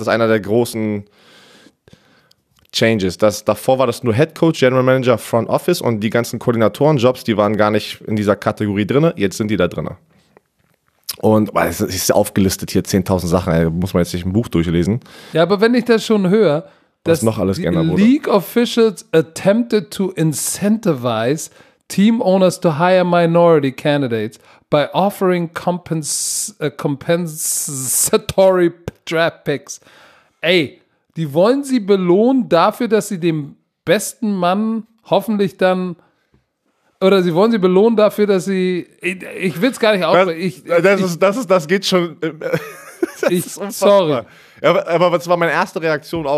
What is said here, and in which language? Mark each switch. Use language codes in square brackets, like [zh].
[de] Das ist einer der großen Changes. Davor war das nur Head Coach, General Manager, Front Office und die ganzen Koordinatorenjobs, die waren gar nicht in dieser Kategorie drin. Jetzt sind die da drin. Und es ist aufgelistet hier 10.000 Sachen. Da muss man jetzt nicht ein Buch durchlesen. Ja, aber wenn ich das schon höre, dass noch alles [en] die League Officials attempted to incentivize team owners to hire minority candidates by offering compensatory draft picks. [de] Ey, die wollen sie belohnen dafür, dass sie dem besten Mann hoffentlich dann, oder sie wollen sie belohnen dafür, dass sie, ich will es gar nicht aufhören. Das geht schon. Sorry. Ja, aber das war meine erste Reaktion auch.